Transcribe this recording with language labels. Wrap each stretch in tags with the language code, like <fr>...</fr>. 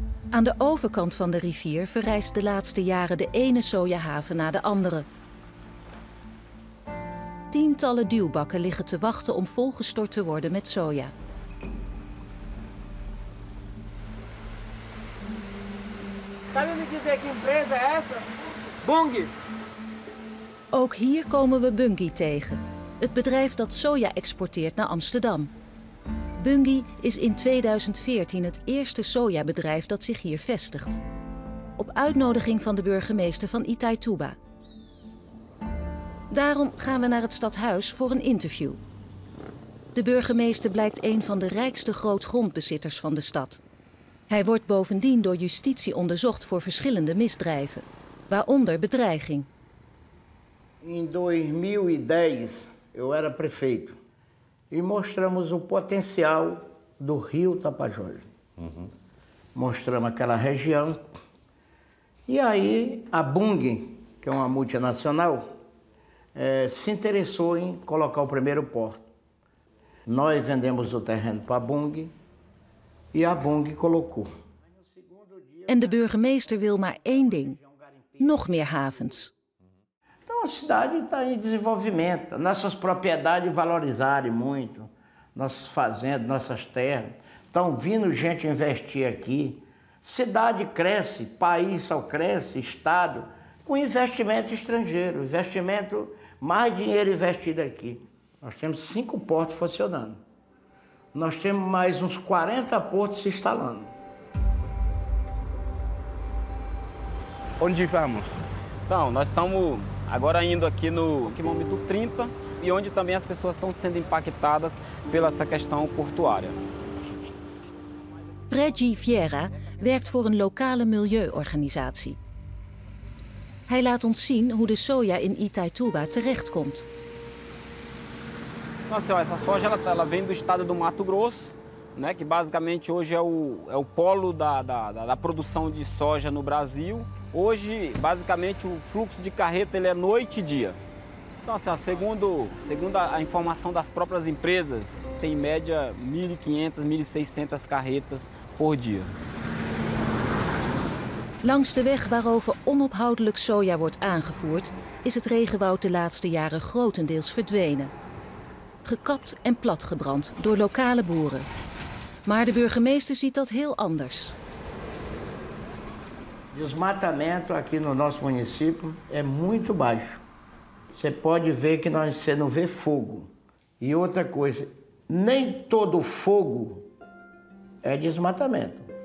<nl>Aan de overkant van de rivier verrijst de laatste jaren de ene sojahaven na de andere. Tientallen duwbakken liggen te wachten om volgestort te worden met soja.</nl> <pt>Sabe me dizer que empresa é essa? Bunge.</pt> <nl>Ook hier komen we Bunge tegen, het bedrijf dat soja exporteert naar Amsterdam. Bunge is in 2014 het eerste sojabedrijf dat zich hier vestigt. Op uitnodiging van de burgemeester van Itaituba. Daarom gaan we naar het stadhuis voor een interview. De burgemeester blijkt een van de rijkste grootgrondbezitters van de stad. Hij wordt bovendien door justitie onderzocht voor verschillende misdrijven, waaronder bedreiging. In 2010, ik was prefeet.</nl> <pt>E mostramos o potencial do rio Tapajós. Uhum. Mostramos aquela região. E aí a Bunge, que é uma multinacional, se interessou em colocar o primeiro porto. Nós vendemos o terreno para a Bunge e a Bunge colocou.</pt> <nl>E o burgemeester wil maar één ding: nog meer havens.</nl> <pt>A cidade está em desenvolvimento, nossas propriedades valorizarem muito, nossas fazendas, nossas terras. Estão vindo gente investir aqui. Cidade cresce, país só cresce, estado, com investimento estrangeiro, investimento, mais dinheiro investido aqui. Nós temos 5 portos funcionando. Nós temos mais uns 40 portos se instalando. Onde vamos? Então, nós estamos agora indo aqui no quilômetro 30, e onde também as pessoas estão sendo impactadas pela essa questão portuária.</pt> <nl>Reggie Vieira werkt voor een lokale milieuorganisatie. Hij laat ons zien hoe de soja in Itaituba terechtkomt.</nl> <pt>Então, assim, ó, essa soja ela vem do estado do Mato Grosso, né, que basicamente hoje é o polo da produção de soja no Brasil. Hoje, basicamente, o fluxo de carreta ele é noite e dia. Então, assim, ó, segundo a informação das próprias empresas, tem em média 1.500, 1.600 carretas por dia.</pt> <nl>Langs de weg waarover onophoudelijk soja wordt aangevoerd, is het regenwoud de laatste jaren grotendeels verdwenen. Gekapt en platgebrand door lokale boeren. Maar de burgemeester ziet dat heel anders.</nl> <pt>Desmatamento aqui no nosso município é muito baixo. Você pode ver que você não vê fogo. E outra coisa, nem todo fogo é desmatamento.</pt>